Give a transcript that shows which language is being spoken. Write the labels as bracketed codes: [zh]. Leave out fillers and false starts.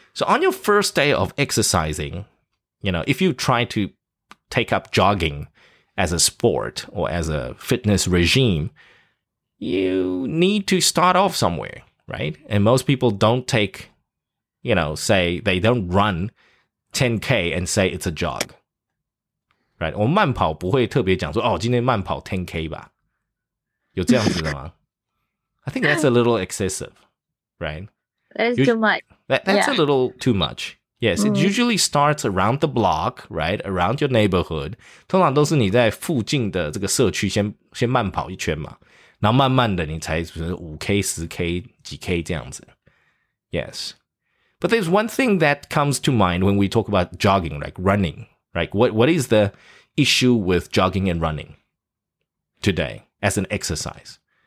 [en] So on your first day of exercising, you know, if you try to take up jogging as a sport or as a fitness regime, you need to start off somewhere, right? And most people don't take, you know, say they don't run 10K and say it's a jog, right? [zh] 我慢跑不会特别讲说，哦，今天慢跑 10K 吧？有这样子的吗？ [en] I think that's a little excessive, right? That's too much. Yes, it usually starts around the block, right? Around your neighborhood. [zh] 通常都是你在附近的这个社区先慢跑一圈嘛。然后慢慢的你才5K、10K、几K这样子。 [en] Yes. But there's one thing that comes to mind when we talk about jogging, like running. Like what is the issue with jogging and running today as an exercise?